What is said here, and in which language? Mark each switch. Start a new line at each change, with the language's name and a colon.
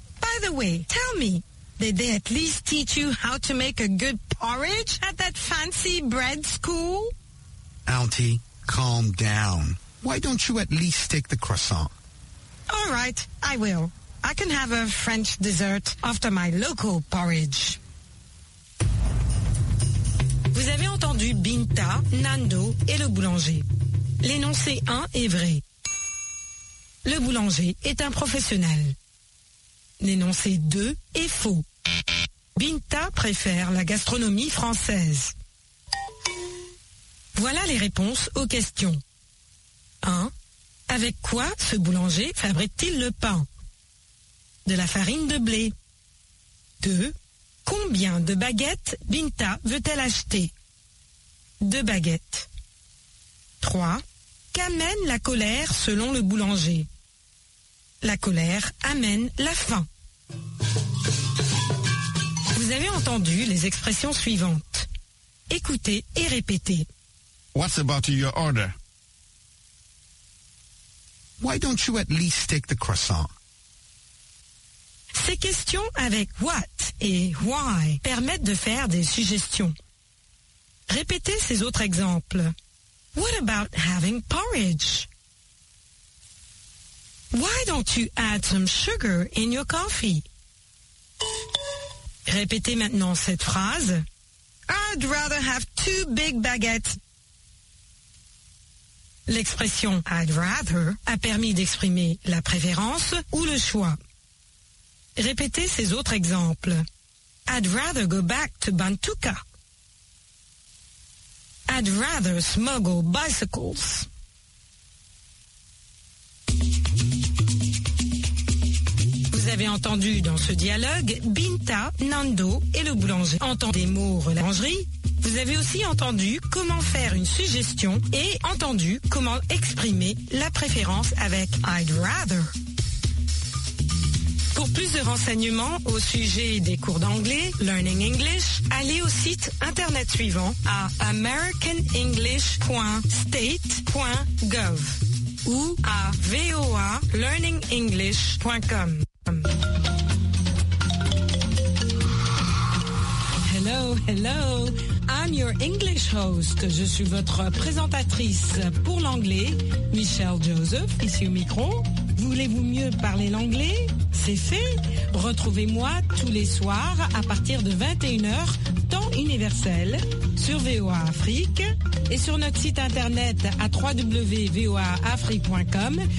English: By the way, tell me, did they at least teach you how to make a good porridge at that fancy bread school? Auntie, calm down. Why don't you at least take the croissant? All right, I will. I can have a French dessert after my local porridge.
French: Vous avez entendu Binta, Nando et le boulanger. L'énoncé 1 est vrai. Le boulanger est un professionnel. L'énoncé 2 est faux. Binta préfère la gastronomie française. Voilà les réponses aux questions. 1. Avec quoi ce boulanger fabrique-t-il le pain? De la farine de blé. 2. Combien de baguettes Binta veut-elle acheter? 2 baguettes. 3. Qu'amène la colère selon le boulanger? La colère amène la faim. Vous avez entendu les expressions suivantes. Écoutez et répétez.
English: What's about your order? Why don't you at least take the croissant?
French: Ces questions avec what et why permettent de faire des suggestions. Répétez ces autres exemples.
English: What about having porridge? Why don't you add some sugar in your coffee?
French: Répétez maintenant cette phrase.
English: I'd rather have two big baguettes.
French: L'expression
English: I'd rather
French: a permis d'exprimer la préférence ou le choix. Répétez ces autres exemples.
English: I'd rather go back to Bantuka. I'd rather smuggle bicycles.
French: Vous avez entendu dans ce dialogue Binta, Nando et le boulanger. Entendez des mots boulangerie. Vous avez aussi entendu comment faire une suggestion et entendu comment exprimer la préférence avec
English: I'd rather.
French: Pour plus de renseignements au sujet des cours d'anglais, Learning English, allez au site internet suivant à americanenglish.state.gov ou à voalearningenglish.com.
English: Hello, hello, I'm your English host.
French: Je suis votre présentatrice pour l'anglais, Michelle Joseph, ici au micro. Voulez-vous mieux parler l'anglais? C'est fait. Retrouvez-moi tous les soirs à partir de 21h, temps universel, sur VOA Afrique et sur notre site internet à www.voaafrique.com.